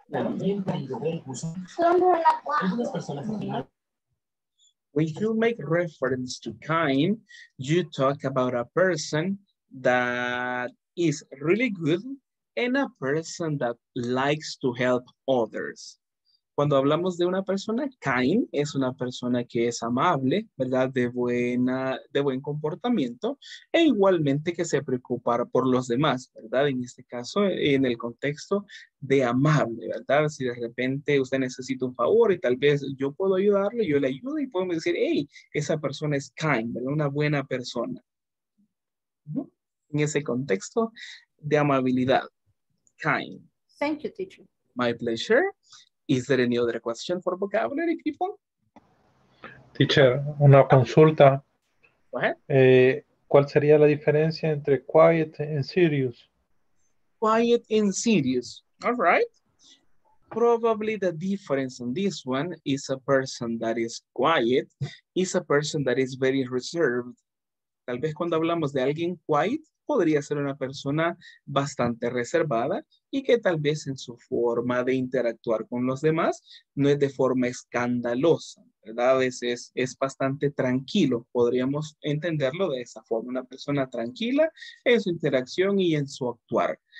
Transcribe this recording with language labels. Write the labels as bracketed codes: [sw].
[en] When you make reference to kind, you talk about a person that is really good and a person that likes to help others. [es] Cuando hablamos de una persona, kind es una persona que es amable, ¿verdad? De buen comportamiento e igualmente que se preocupa por los demás, ¿verdad? En este caso, en el contexto de amable, ¿verdad? Si de repente usted necesita un favor y tal vez yo puedo ayudarle, yo le ayudo y puedo decir, hey, esa persona es kind, ¿verdad? Una buena persona. ¿No? En ese contexto de amabilidad, kind. [en] Thank you, teacher. My pleasure. Is there any other question for vocabulary people? [es] Teacher, una consulta. [en] Go ahead. [es] ¿Cuál sería la diferencia entre [en] quiet and serious? Quiet and serious. All right. Probably the difference on this one is a person that is quiet, is a person that is very reserved. [es] Tal vez cuando hablamos de alguien quiet, podría ser una persona bastante reservada y que tal vez en su forma de interactuar con los demás no es de forma escandalosa, ¿verdad? Es bastante tranquilo, podríamos entenderlo de esa forma, una persona tranquila en su interacción y en su actuar.